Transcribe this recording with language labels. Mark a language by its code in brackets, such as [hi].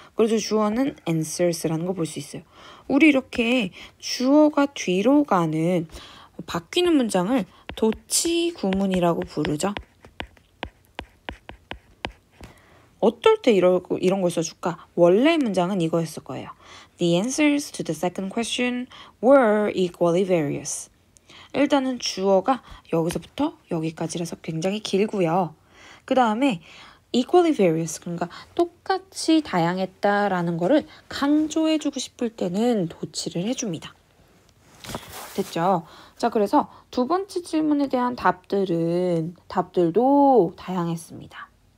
[ko] 그래서 주어는 answers라는 거 볼 수 있어요. 우리 이렇게 주어가 뒤로 가는 바뀌는 문장을 도치 구문이라고 부르죠. 어떨 때 이런 걸 써줄까? 원래 문장은 이거였을 거예요. [en] The answers to the second question were equally various. [ko] 일단은 주어가 여기서부터 여기까지라서 굉장히 길고요. 그 다음에 equally various, 그러니까 똑같이 다양했다라는 거를 강조해주고 싶을 때는 도치를 해줍니다. 됐죠? 자, 그래서 두 번째 질문에 대한 답들도 다양했습니다.